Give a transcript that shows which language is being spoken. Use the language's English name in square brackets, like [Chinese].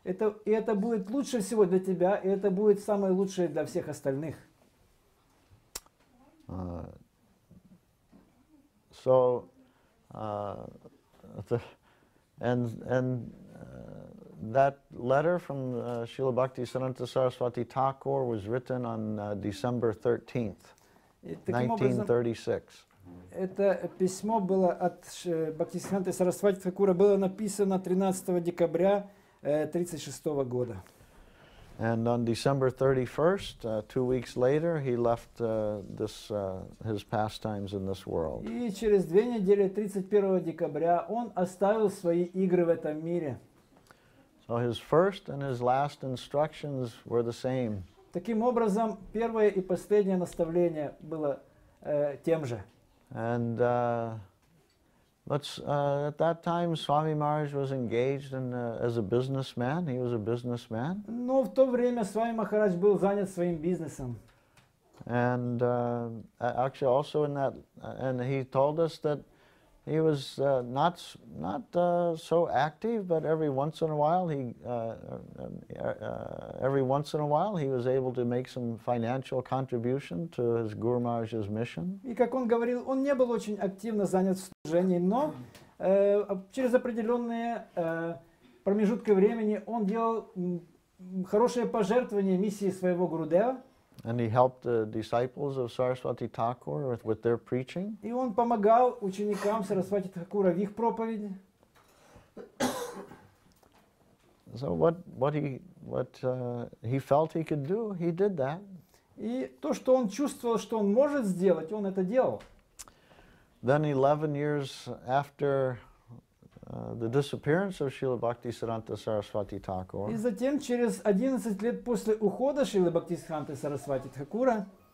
[Russian] Это будет лучше всего для тебя, и это будет самое лучшее для всех остальных. [English] So, that letter from Srila Bhakti Sananta Saraswati Thakur was written on December 13th, 1936. [Russian] Это письмо было от Бхактисиддханты Сарасвати Такура, было написано 13 декабря 1936 года. [English] And on December 31st, 2 weeks later, he left his pastimes in this world. [Russian] И через две недели, 31 декабря, он оставил свои игры в этом мире. [English] So his first and his last instructions were the same. [Russian] Таким образом, первое и последнее наставление было тем же. [English] And at that time Swami Maharaj was engaged in as a businessman. He was a businessman. [Russian] Но в то время Свами Махарадж был занят своим бизнесом. [English] And actually, also in that, and he told us that he was not so active, but every once in a while he was able to make some financial contribution to his Guru Maharaj's mission. [Russian] И как он говорил, он не был очень активно занят в служении, но через определенные промежутки времени он делал хорошие пожертвования миссии своего Гурудева. [English] And he helped the disciples of Saraswati Thakur with their preaching. [Russian] И он помогал ученикам Сарасвати Такура в их проповеди. [English] So what he felt he could do, he did that. [Russian] И то, что он чувствовал, что он может сделать, он это делал. [English] Then 11 years after the disappearance of Srila Bhakti Siddhanta Saraswati Thakur. [Russian] И затем через 11 лет после ухода Шрилы Бхактисиддханты Сарасвати Такура,